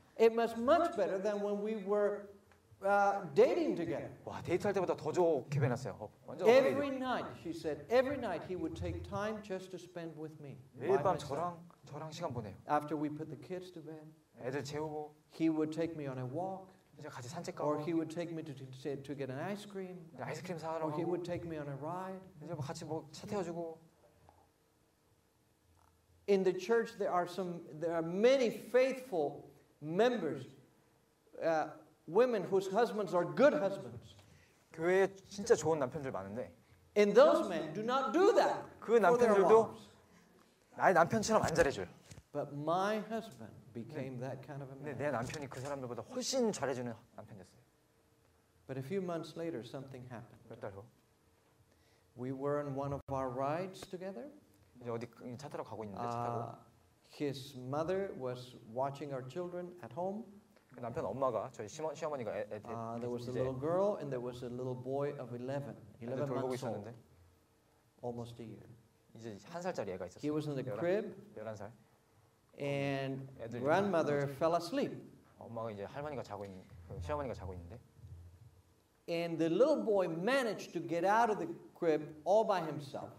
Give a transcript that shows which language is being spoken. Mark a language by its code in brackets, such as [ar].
[en] It was much better than when we were dating together. [ko] 와, 데이트할 때보다 더 좋게 변했어요. [en] Every night, she said, every night he would take time just to spend with me. [ko] 매일 밤 저랑 시간 보내요. [en] After we put the kids to bed, [ko] 애들 재우고, [en] he would take me on a walk. [ko] 이제 같이 산책 가고. [en] Or he would take me to get an ice cream. [ko] 아이스크림 사러 가고. [en] Or he would take me on a ride. [ko] 이제 뭐 같이 뭐 차 태워주고. [en] In the church, there are many faithful members, women whose husbands are good husbands. [ko] 교회 진짜 좋은 남편들 많은데. [en] And those men do not do that. [ko] 그 남편들도 나의 남편처럼 안 잘해줘요. [en] But my husband became that kind of a man. [ko] 내 남편이 그 사람들보다 훨씬 잘해주는 남편이었어요. [en] But a few months later, something happened. [ko] 몇 달 후. [en] We were on one of our rides together. [ko] 이제 어디 차 타러 가고 있는데 차 타고. [en] His mother was watching our children at home. [ko] 그 남편 엄마가 저희 시어머니가 [en] There was a little girl and there was a little boy of 11. 11 months old. [ko] 돌보고 있었는데. [en] Almost a year. [ko] 이제 한 살짜리 애가 있었어요. [en] He was in the crib. [ko] 11 살. [en] And grandmother fell asleep. [ko] 엄마가 이제 할머니가 자고 있는 시어머니가 자고 있는데. [en] And the little boy managed to get out of the crib all by himself.